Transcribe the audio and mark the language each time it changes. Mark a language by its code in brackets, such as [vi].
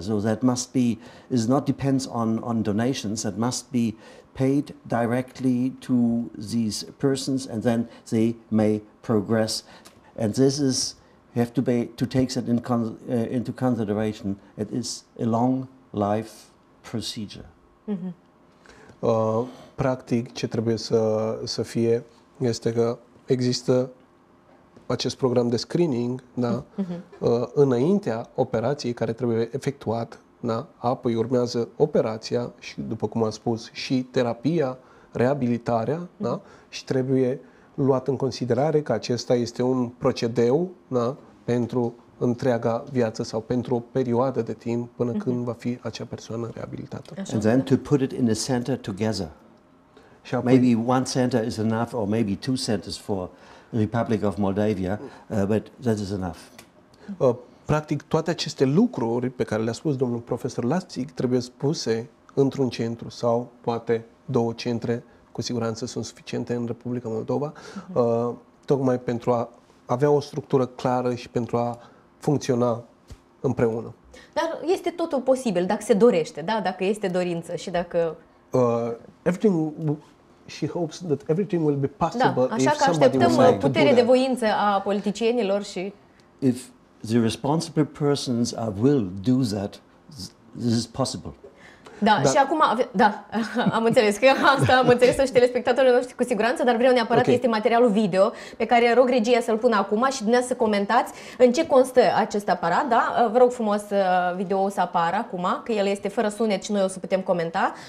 [en] So that must be, is not depends on donations, that must be paid directly to these persons and then they may progress. And this is, you have to be, to take that in into consideration. It is a long life procedure. [ro] Practic, ce trebuie să fie este că există acest program de screening, da? Înaintea operației care trebuie efectuat, da? Apoi urmează operația și, după cum am spus, și terapia, reabilitarea, da? Și trebuie luat în considerare că acesta este un procedeu, da? Pentru întreaga viață sau pentru o perioadă de timp până când va fi acea persoană reabilitată. Așa. [en] And then to put it in the center together. [ro] Și apoi, [en] maybe one center is enough or maybe two centers for Republic of Moldova, but that is enough. [ro] Practic toate aceste lucruri pe care le-a spus domnul profesor Lastic trebuie spuse într-un centru sau poate două centre, cu siguranță sunt suficiente în Republica Moldova, tocmai pentru a avea o structură clară și pentru a funcționa împreună. Dar este totul posibil dacă se dorește, da? Dacă este dorință și dacă [en] everything she hopes that everything will be possible, [ro] da, așa că așteptăm putere de voință a politicienilor și [en] if the responsible persons are will do that, this is possible. [ro] Da, dar și acum, da, am înțeles că asta am înțeles și telespectatorii noștri cu siguranță, dar vreau neapărat, okay, este materialul video pe care rog regia să-l pună acum și dumneavoastră să comentați în ce constă acest aparat, da? Vă rog frumos video-ul să apară acum, că el este fără sunet și noi o să putem comenta.